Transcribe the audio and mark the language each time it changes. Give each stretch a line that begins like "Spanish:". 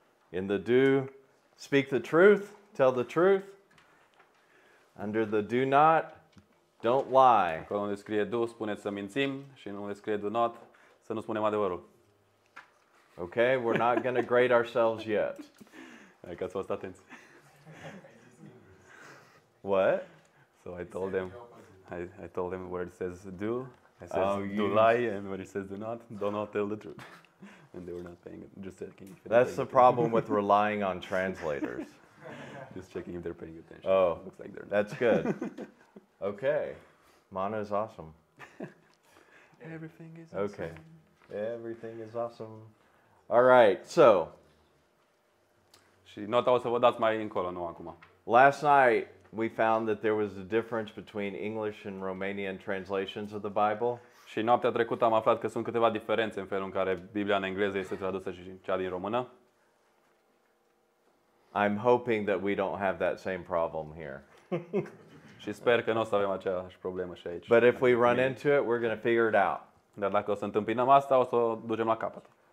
English: In the do, speak the truth, tell the truth. Under the do not, don't lie.
Romanian: Acolo unde scrie do, spuneți să mințim și unde scrie do not, să nu spunem adevărul.
English: Okay, we're not going to grade ourselves yet.
Romanian: Hai că ați fost atenți.
English: What? So I told them where it says do, I says do lie, and where it says do not, don't tell the truth. And they were not paying it. Just checking. That's the problem with relying on translators. Just checking if they're paying attention. Oh, looks like they're not. That's good. Okay. Mana is awesome. Everything is okay. Awesome. Everything is awesome. All right. So.
Romanian: Și nota o să vă dați mai încolo, nu acum.
English: Last night we found that there was a difference between English and Romanian translations of the Bible.
Romanian: Și noaptea trecută am aflat că sunt câteva diferențe în felul în care Biblia în engleză este tradusă și cea din română.
English: I'm hoping that we don't have that same problem here.
Romanian: Și sper că nu o să avem aceeași problemă și aici.
English: But if we run into it, we're going to figure it out.
Romanian: Dar dacă o să întâmpinăm asta, o să o ducem la capăt.